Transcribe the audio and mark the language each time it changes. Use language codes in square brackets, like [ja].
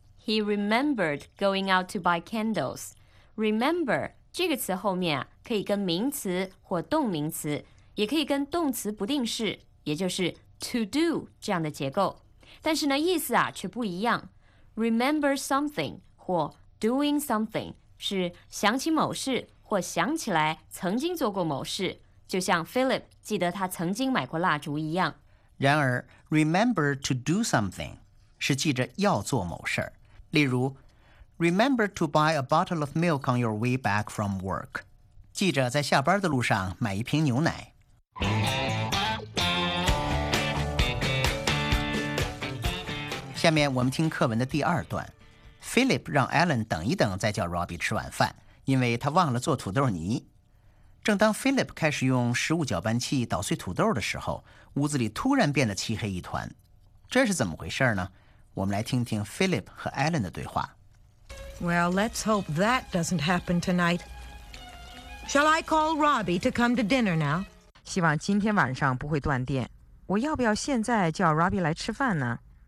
[en] He remembered going out to buy candles. [zh] Remember 这个词后面啊，可以跟名词或动名词，也可以跟动词不定式，也就是 to do 这样的结构，但是呢，意思啊却不一样。 Remember something 或 doing something 是想起某事或想起来曾经做过某事，就像 Philip 记得他曾经买过蜡烛一样。然而 [en] remember to do something 是记着要做某事，例如 remember to buy a bottle of milk on your way back from work， [zh] 记着在下班的路上买一瓶牛奶。下面我们听课文的第二段。Philip 让 Ellen 等一等再叫 Robbie 吃晚饭，因为他忘了做土豆泥。正当 Philip 开始用食物搅拌器捣碎土豆的时候，屋子里突然变得漆黑一团，这是怎么回事呢？我们来听听 Philip 和 Ellen 的对话。 [en] Well, let's hope that doesn't happen tonight. Shall I call Robbie to come to dinner now? [zh] 希望今天晚上不会断电。我要不要现在叫 Robbie 来吃饭呢？